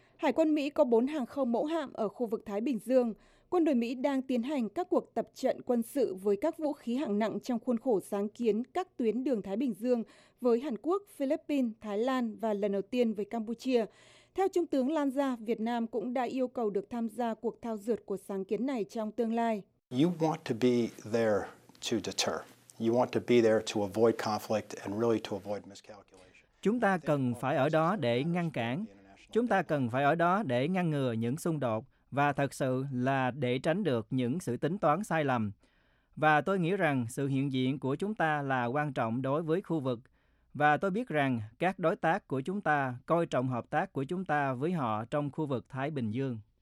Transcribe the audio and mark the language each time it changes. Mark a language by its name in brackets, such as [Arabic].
[Vietnamese] Hải quân Mỹ có 4 hàng không mẫu hạm ở khu vực Thái Bình Dương. Quân đội Mỹ đang tiến hành các cuộc tập trận quân sự với các vũ khí hạng nặng trong khuôn khổ sáng kiến các tuyến đường Thái Bình Dương với Hàn Quốc, Philippines, Thái Lan và lần đầu tiên với Campuchia. Theo Trung tướng Lanza, Việt Nam cũng đã yêu cầu được tham gia cuộc thao dượt của sáng kiến này trong tương lai. [English] You want to be there to deter. You want to be there to avoid conflict and really to avoid miscalculation. [Vietnamese] Chúng ta cần phải ở đó để ngăn cản. Chúng ta cần phải ở đó để ngăn ngừa những xung đột và thật sự là để tránh được những sự tính toán sai lầm. Và tôi nghĩ rằng sự hiện diện của chúng ta là quan trọng đối với khu vực. Và tôi biết rằng các đối tác của chúng ta coi trọng hợp tác của chúng ta với họ trong khu vực Thái Bình Dương.